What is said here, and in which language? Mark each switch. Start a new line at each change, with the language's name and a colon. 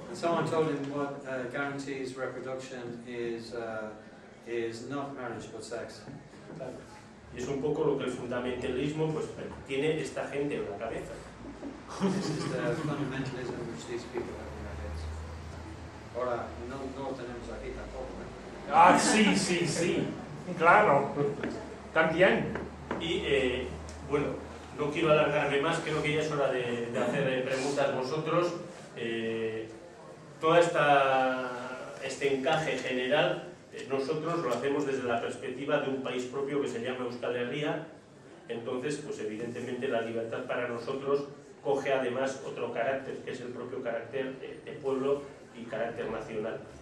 English: Someone told him what guarantees reproduction is not marriage but sex.
Spanish: Es un poco lo que el fundamentalismo pues tiene esta gente en la cabeza.
English: This is the fundamentalism which these people have.
Spanish: Ahora, no tenemos aquí tampoco, ¿eh? Ah, sí, claro, también. Y, bueno, no quiero alargarme más, creo que ya es hora de hacer preguntas vosotros. Todo este encaje general, nosotros lo hacemos desde la perspectiva de un país propio que se llama Euskal Herria, entonces, pues evidentemente la libertad para nosotros coge además otro carácter, que es el propio carácter de pueblo, y carácter nacional.